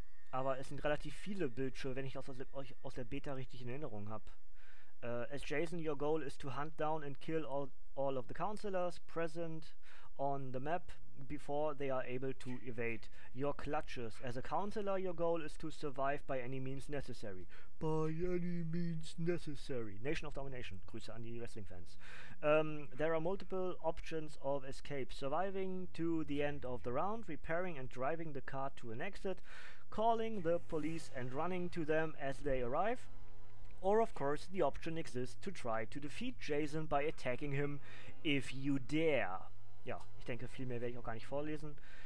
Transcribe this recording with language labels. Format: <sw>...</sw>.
<de>Aber es sind relativ viele Bildschirme, wenn ich euch aus der Beta richtig in Erinnerung habe.</de> <en>As Jason, your goal is to hunt down and kill all of the counselors present on the map before they are able to evade your clutches. As a counselor, your goal is to survive by any means necessary. By any means necessary. Nation of Domination.</en> <de>Grüße an die Wrestling-Fans.</de> <en>There are multiple options of escape. Surviving to the end of the round, repairing and driving the car to an exit, calling the police and running to them as they arrive. Or, of course, the option exists to try to defeat Jason by attacking him, if you dare.</en> <de>Ja, ich denke, viel mehr werde ich auch gar nicht vorlesen.</de>